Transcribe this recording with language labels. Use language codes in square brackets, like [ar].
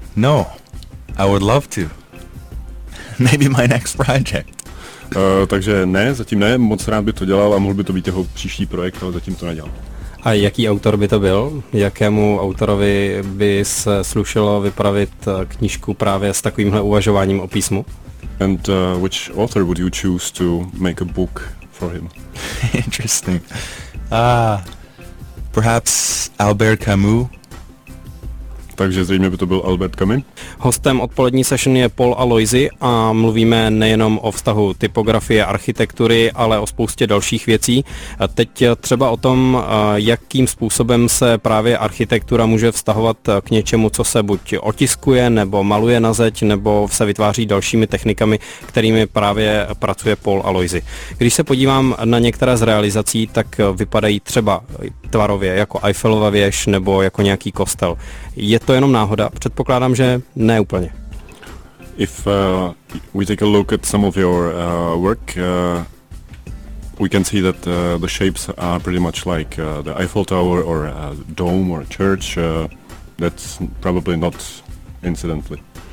[en] No, I would love to. Maybe my next project. [cs] Takže ne, zatím ne, moc rád by to dělal a mohl by to být jeho příští projekt, ale zatím to nedělal. A jaký autor by to byl? Jakému autorovi by se slušelo vypravit knížku právě s takovýmhle uvažováním o písmu? [en] And which author would you choose to make a book for him? Interesting. Perhaps Albert Camus? [cs] Takže zřejmě by to byl Albert Camus. Hostem odpolední session je Paul Aloisi a mluvíme nejenom o vztahu typografie, architektury, ale o spoustě dalších věcí. Teď třeba o tom, jakým způsobem se právě architektura může vztahovat k něčemu, co se buď otiskuje, nebo maluje na zeď, nebo se vytváří dalšími technikami, kterými právě pracuje Paul Aloisi. Když se podívám na některé z realizací, tak vypadají třeba tvarově, jako Eiffelova věž, nebo jako nějaký kostel. Je to jenom náhoda? Předpokládám, že ne úplně. [en] If we take a look at some of your work, we can see that the shapes are pretty much like the Eiffel Tower or a dome or a church. That's probably not incidentally.